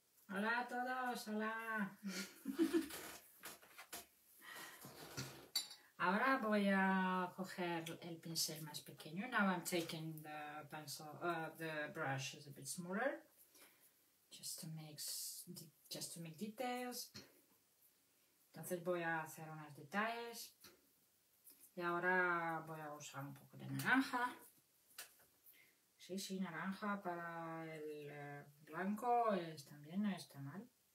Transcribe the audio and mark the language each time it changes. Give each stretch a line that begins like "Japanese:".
Spanish: Hola a todos, hola. Ahora voy a coger el pincel más pequeño.
English: Now I'm taking the pencil, the brush is a bit smaller, just to make details.
Spanish: Entonces voy a hacer unos detalles. Y ahora voy a usar un poco de naranja. Sí, sí, naranja para el blanco es también, no está mal.